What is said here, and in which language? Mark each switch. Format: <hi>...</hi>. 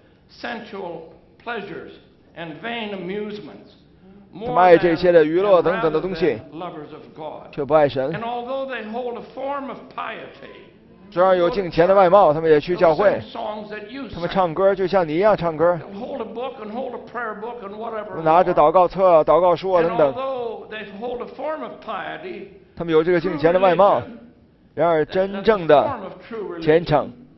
<en>Sensual pleasures and vain amusements, more than the lovers of God, and although they hold a form of piety,</en> <zh>虽然有敬虔的外貌，他们也去教会。他们唱歌就像你一样唱歌。</zh> <en>Hold a book and hold a prayer book and whatever.</en> <zh>拿着祷告册、祷告书啊等等。</zh> <en>And although they hold a form of piety,</en> <zh>他们有这个敬虔的外貌，然而真正的虔诚。</zh>